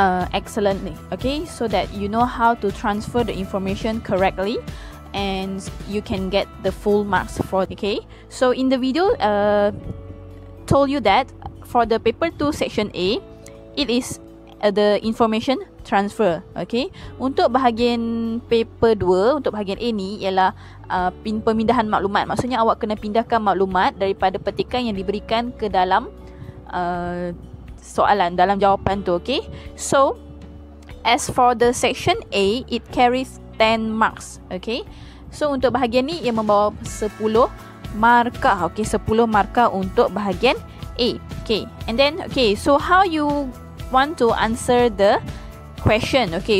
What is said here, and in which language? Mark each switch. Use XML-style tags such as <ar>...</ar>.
<en>Excellently, okay, so that you know how to transfer the information correctly and you can get the full marks for it, okay. So in the video told you that for the paper 2 section A, it is the information transfer, okay.</en> <ms>Untuk bahagian paper 2, untuk bahagian A ni ialah pemindahan maklumat. Maksudnya awak kena pindahkan maklumat daripada petikan yang diberikan ke dalam soalan, dalam jawapan tu, okay.</ms> <en>So as for the section A, it carries 10 marks, okay.</en> <ms>So untuk bahagian ni, ia membawa 10 markah, okay. 10 markah untuk bahagian A,</ms> <en>okay. And then, okay, so how you want to answer the question, okay.</en>